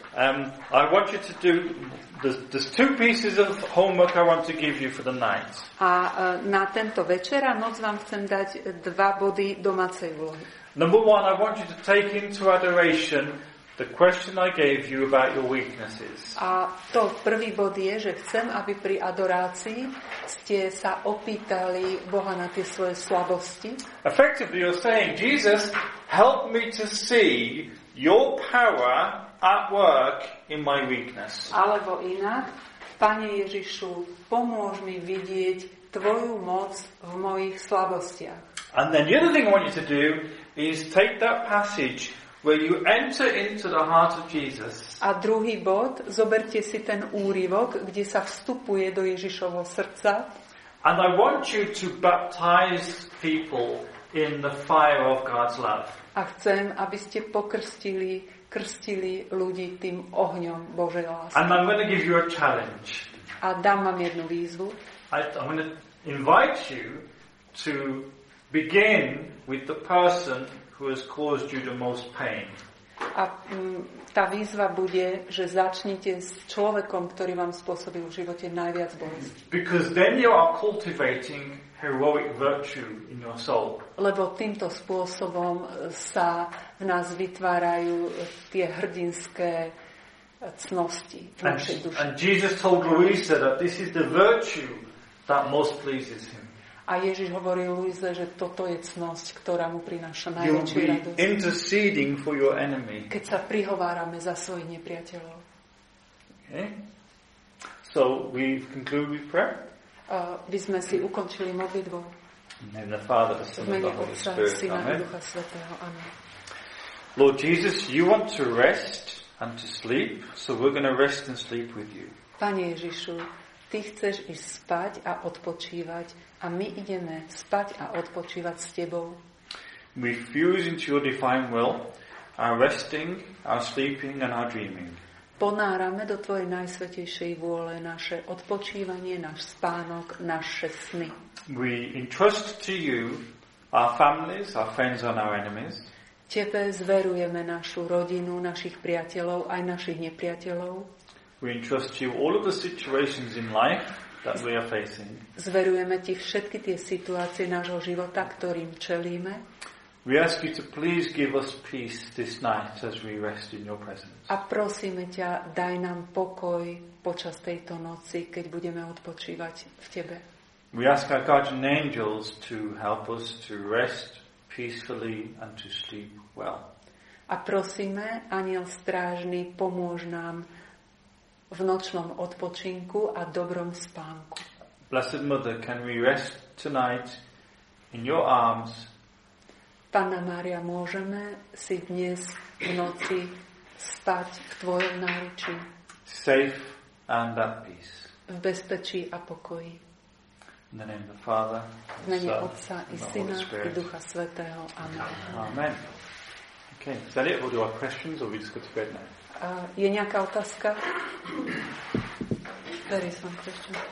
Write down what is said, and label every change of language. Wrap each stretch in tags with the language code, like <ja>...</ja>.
<en>I want you to do there's two pieces of homework I want to give you for the night.</en> <sk>A na tento večer a noc vám chcem dať dva body domácej úlohy.</sk> <en>Number one, I want you to take into adoration the question I gave you about your weaknesses.</en> <sk>A to prvý bod je, že chcem, aby pri adorácii ste sa opýtali Boha na tie svoje slabosti.</sk> <en>Effectively you're saying, Jesus, help me to see your power at work in my weakness.</en> <sk>Alebo inak, Pane Ježišu, pomôž mi vidieť tvoju moc v mojich slabostiach.</sk> <en>And then the other thing I want you to do is take that passage where you enter into the heart of Jesus.</en> <sk>A druhý bod, zoberte si ten úryvok, kde sa vstupuje do Ježišovho srdca.</sk> <en>And I want you to baptize people in the fire of God's love.</en> <sk>A chcem, aby ste krstili ľudí tým ohňom Božej lásky.</sk> <en>And I'm going to give you a challenge.</en> <sk>A dám vám jednu výzvu.</sk> <en>I'm going to invite you to begin with the person who has caused you the most pain.</en> <sk>A tá výzva bude, že začnite s človekom, ktorý vám spôsobil v živote najviac bolesti.</sk> <en>Because then you are cultivating heroic virtue in your soul.</en> <sk>Lebo týmto spôsobom sa v nás vytvárajú tie hrdinské cnosti v našej duši.</sk> <en>And Jesus told Luisa that this is the virtue that most pleases him.</en> <sk>A Ježiš hovorí Luize, že toto je cnosť, ktorá mu prináša najväčšiu radosť.</sk> <en>You'll be interceding for your enemy.</en> <sk>Keď sa prihovárame za svojich nepriateľov. Okay.</sk> <en>So we've concluded with prayer.</en> <sk>By sme si ukončili modlitbou.</sk> <en>In the Father, the Son, and the Holy Spirit.</en> <sk>Syna, amen. Ducha Svätého. Amen.</sk> <en>Lord Jesus, you want to rest and to sleep, so we're going to rest and sleep with you.</en> <sk>Pane Ježišu, ty chceš ísť spať a odpočívať, a my ideme spať a odpočívať s tebou.</sk> <en>We fuse into your divine will, our resting, our sleeping and our dreaming.</en> <sk>Ponárame do tvojej najsvätejšej vôle naše odpočívanie, náš spánok, naše sny.</sk> <en>We entrust to you our families, our friends and our enemies.</en> <sk>Tebe zverujeme našu rodinu, našich priateľov aj našich nepriateľov.</sk> <en>We entrust you all of the situations in life that we are facing.</en> <sk>Zverujeme ti všetky tie situácie nášho života, ktorým čelíme.</sk> <en>We ask you to please give us peace this night as we rest in your presence.</en> <sk>A prosíme ťa, daj nám pokoj počas tejto noci, keď budeme odpočívať v tebe.</sk> <en>We ask our guardian angels to help us to rest peacefully and to sleep well.</en> <sk>A prosíme, anjel strážny, pomôž nám v nočnom odpočinku a dobrom spánku.</sk> <en>Blessed Mother, can we rest tonight in your arms?</en> <sk>Panna Mária, môžeme si dnes v noci spať v tvojom náručí.</sk> <en>Safe and at peace.</en> <sk>V bezpečí a pokoji.</sk> <en>In the name of the Father,</en> <sk>v mene Otca i Syna i Ducha Svätého. Amen.</sk> <en>Amen. Okay, is that it? We'll do our questions or we just go to bed now?</en> <sk>Je nejaká otázka?</sk> <en>There is one question.</en>